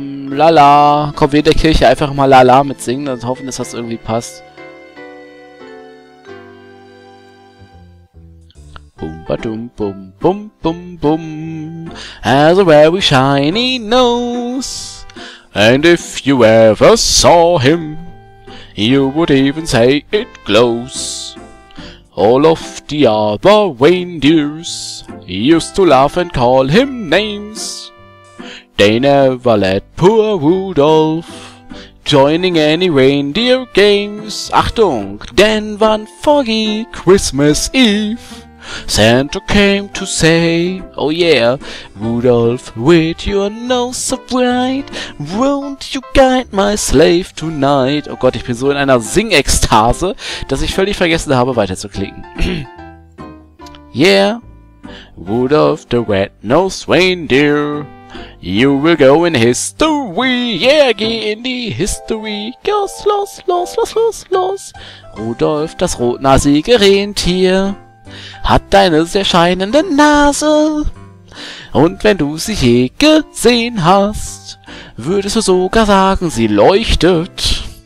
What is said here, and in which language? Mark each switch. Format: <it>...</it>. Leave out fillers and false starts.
<de>Lala. Komm, wir in der Kirche einfach mal Lala mit singen und hoffen, dass das irgendwie passt. Bum badum bum bum bum bum.</de> <en>Has a very shiny nose. And if you ever saw him, you would even say it glows. All of the other reindeers used to laugh and call him names. They never let poor Rudolf joining any reindeer games. Achtung! Then one foggy Christmas Eve, Santa came to say, oh yeah, Rudolph, with your nose so bright, won't you guide my slave tonight?</en> <de>Oh Gott, ich bin so in einer Sing-Ekstase, dass ich völlig vergessen habe, weiterzuklicken.</de> <en>Yeah, Rudolph the Red-Nosed Reindeer, you will go in history.</en> <de>Yeah, geh in die History. Los, los, los, los, los, los. Rudolph, das rotnasige Rentier, hat deine sehr scheinende Nase. Und wenn du sie je gesehen hast, würdest du sogar sagen, sie leuchtet.</de>